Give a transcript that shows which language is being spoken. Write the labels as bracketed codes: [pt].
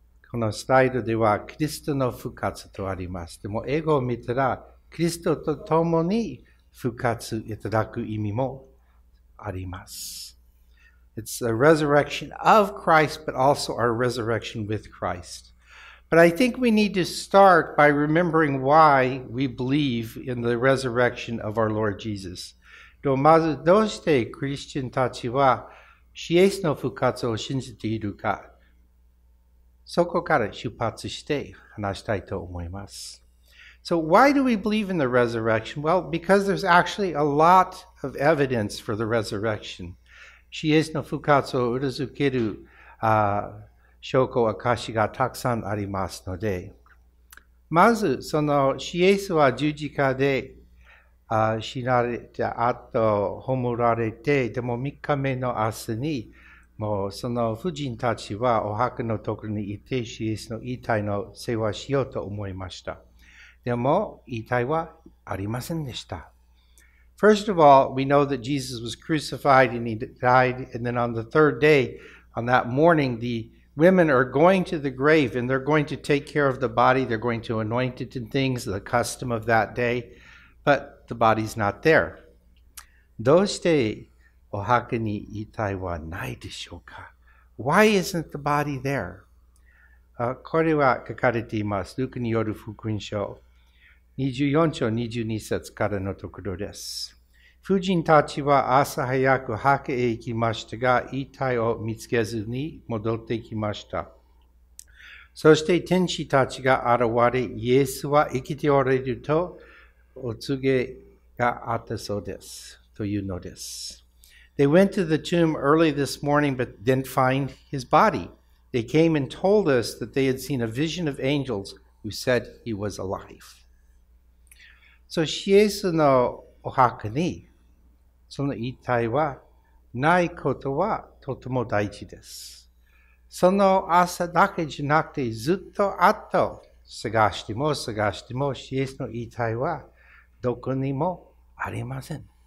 [ja] このスライドではキリストの復活とあります。でも英語を見たらキリストと共に復活いただく意味もあります。 [en] It's a resurrection of Christ, but also our resurrection with Christ. But I think we need to start by remembering why we believe in the resurrection of our Lord Jesus. [ja] でもまずどうしてクリスチャンたちは主イエスの復活を信じているか。そこから出発して話したいと思います。 [en] So why do we believe in the resurrection? Well, because there's actually a lot of evidence for the resurrection. [ja] 主イエスの復活を裏付ける証拠、証しがたくさんありますので。まず、その主イエスは十字架で死なれた後、葬られて、でも3日目の朝に、もうその婦人たちはお墓のところにいて、主イエスの遺体の世話しようと思いました。でも、遺体はありませんでした。 [en] First of all, we know that Jesus was crucified and he died. And then on the third day, on that morning, the women are going to the grave and they're going to take care of the body. They're going to anoint it and things, the custom of that day. But the body's not there. [ja] どうしてお墓に遺体はないでしょうか? [en] Why isn't the body there? [ja] これは書かれています。ルカによる福音書。24章22節からのところです。婦人たちは朝早く墓へ行きましたが、遺体を見つけずに戻ってきました。そして天使たちが現れ、イエスは生きておられるとお告げがあったそうです。というのです。 [en] They went to the tomb early this morning but didn't find his body. They came and told us that they had seen a vision of angels who said he was alive. [ja] そう、主イエスのお墓にその遺体はないことはとても大事です。その朝だけじゃなくてずっと後探しても探しても主イエスの遺体はどこにもありません。